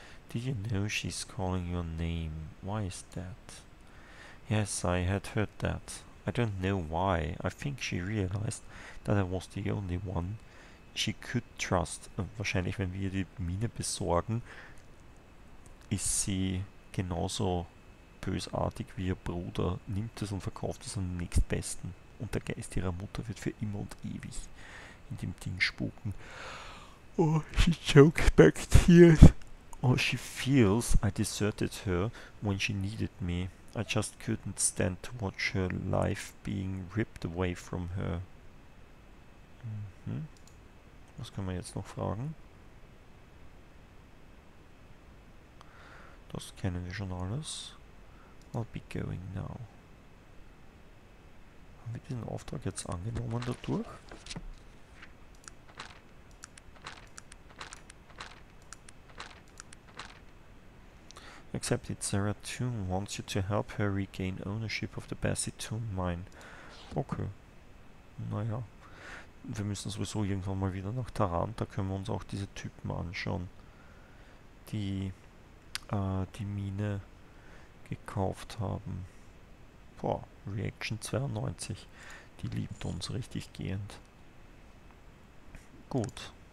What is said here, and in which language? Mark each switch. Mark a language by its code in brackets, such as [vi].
[en] Did you know she's calling your name? Why is that? Yes, I had heard that. I don't know why. I think she realized that I was the only one she could trust. [de] Wahrscheinlich, wenn wir die Mine besorgen, ist sie genauso bösartig wie ihr Bruder, nimmt es und verkauft es an den nächstbesten. und der Geist ihrer Mutter wird für immer und ewig in dem Ding spuken. [en] Oh, she choked back tears. Oh, she feels I deserted her when she needed me. I just couldn't stand to watch her life being ripped away from her. Mhm. [de] Was können wir jetzt noch fragen? Das kennen wir schon alles. [en] I'll be going now. [de] Haben wir diesen Auftrag jetzt angenommen dadurch? [en] Accepted. Sarah Toon wants you to help her regain ownership of the Bassett Toon Mine. [de] Okay. Naja. Wir müssen sowieso irgendwann mal wieder nach Taran. Da können wir uns auch diese Typen anschauen, die die Mine gekauft haben. Boah, Reaction 92. Die liebt uns richtig gehend. Gut.